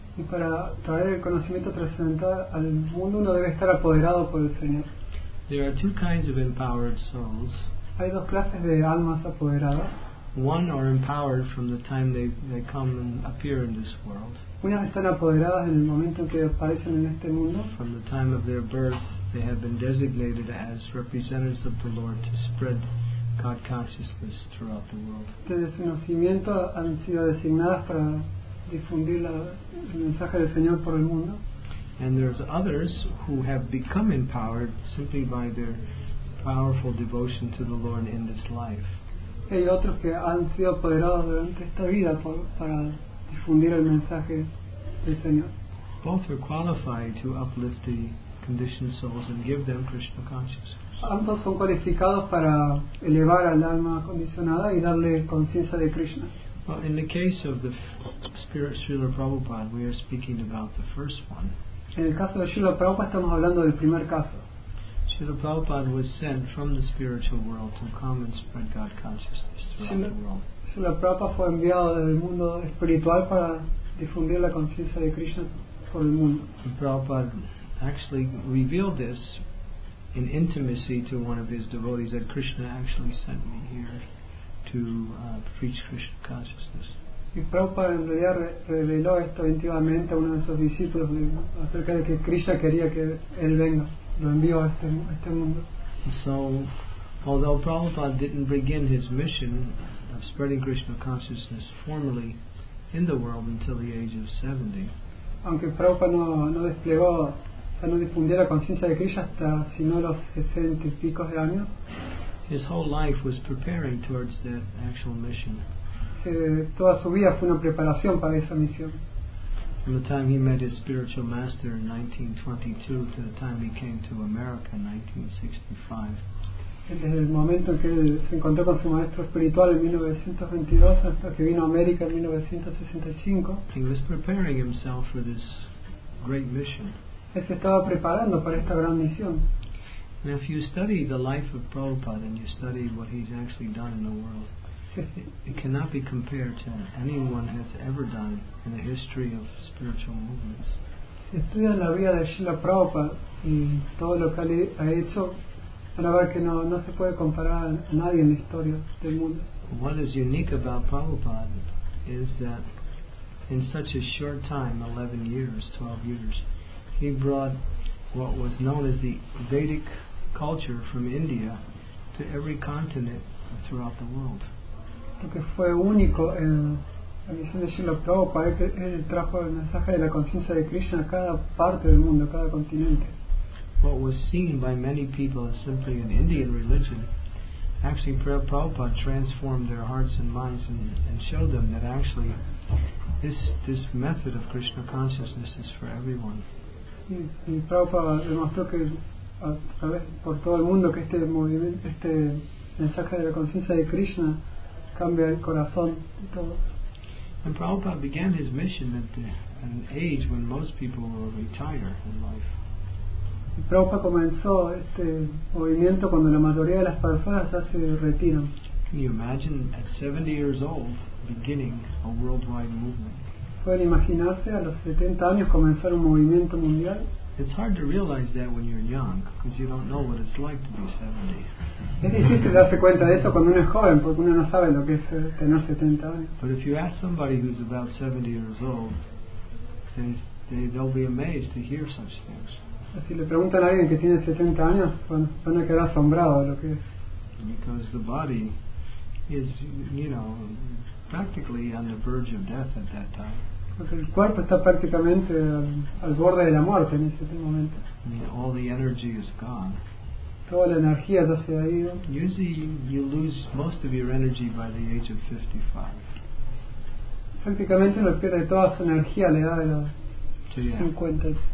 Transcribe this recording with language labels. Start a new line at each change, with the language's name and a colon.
Spanish: Y para traer el conocimiento trascendental al mundo, uno debe estar apoderado por el Señor.
English: There are two kinds of empowered souls.
Spanish: Hay dos clases de almas apoderadas.
English: One are empowered from the time they come and appear in this world.
Spanish: Unas están apoderadas en el momento en que aparecen en este mundo.
English: From the time of their birth, they have been designated as representatives of the Lord to spread God consciousness throughout the world.
Spanish: Desde su nacimiento han sido designadas para difundir el mensaje del Señor por el mundo.
English: And there's others who have become empowered simply by their powerful devotion to the Lord in this life.
Spanish: Hay otros que han sido apoderados durante esta vida para difundir el mensaje del Señor.
English: Both are qualified to uplift the conditioned souls and give them Krishna consciousness.
Spanish: Ambos son cualificados para elevar al alma condicionada y darle conciencia de Krishna.
English: Well, in the case of the spirit Srila Prabhupada, we are speaking about the first one.
Spanish: En el caso de Srila Prabhupada estamos hablando del primer caso.
English: Srila Prabhupada was sent from the spiritual world to come and spread God consciousness throughout the world.
Spanish: Srila Prabhupada fue enviado del mundo espiritual para difundir la conciencia de Krishna por el mundo.
English: Prabhupada actually revealed this in intimacy to one of his devotees that Krishna actually sent me here to preach Krishna consciousness.
Spanish: Y Prabhupada en realidad reveló esto íntimamente a uno de sus discípulos acerca de que Krishna quería que él venga. Lo envió a este mundo.
English: So, although Prabhupada didn't begin his mission of spreading Krishna consciousness formally in the world until the age of 70,
Spanish: aunque Prabhupada no desplegó, o sea, no difundió la conciencia de Krishna hasta sino los 60 y pico de años,
English: his whole life was preparing towards that actual mission.
Spanish: Toda su vida fue una preparación para esa misión.
English: From the time he met his spiritual master in 1922 to the time he came to America in 1965.
Spanish: Desde el momento en que se encontró con su maestro espiritual en 1922 hasta que vino a América en 1965.
English: He was preparing himself for this great mission.
Spanish: Él se estaba preparando para esta gran misión.
English: And if you study the life of Prabhupada and you study what he's actually done in the world, it cannot be compared to anyone has ever done in the history of spiritual movements.
Spanish: Si estudias la vida de Srila Prabhupada y todo lo que ha hecho, van a ver que no se puede comparar a nadie en la historia del mundo.
English: What is unique about Prabhupada is that in such a short time, 11 years, 12 years, he brought what was known as the Vedic culture from India to every continent throughout the world.
Spanish: Lo que fue único en la misión de Srila Prabhupada es que él trajo el mensaje de la conciencia de Krishna a cada parte del mundo, a cada continente.
English: What was seen by many people as simply an Indian religion, actually Prabhupada transformed their hearts and minds and showed them that actually this method of Krishna consciousness is for everyone.
Spanish: Y Prabhupada demostró que a través por todo el mundo que este movimiento, este mensaje de la conciencia de Krishna cambia el corazón de todos.
English: And Prabhupada began his mission at an age when most people were retired in life.
Spanish: Y Prabhupada comenzó este movimiento cuando la mayoría de las personas ya se retiran.
English: Can you imagine at 70 years old beginning a worldwide movement?
Spanish: ¿Pueden imaginarse a los 70 años comenzar un movimiento mundial?
English: It's hard to realize that when you're young, because you don't know what it's like to be 70.
Spanish: Es difícil darse cuenta de eso cuando uno es joven, porque uno no sabe lo que es tener 70 años.
English: But if you ask somebody who's about 70 years old, they'll be amazed to hear such things.
Spanish: Si le preguntan a alguien que tiene 70 años, van a quedar asombrados de lo que es.
English: Because the body is, you know, practically on the verge of death at that time.
Spanish: Porque el cuerpo está prácticamente al borde de la muerte en ese momento.
English: I mean, all the energy is gone.
Spanish: Toda la energía ya se ha ido.
English: Usually you lose most of your energy by the age of 55.
Spanish: Prácticamente uno pierde toda su energía a la edad de los 50.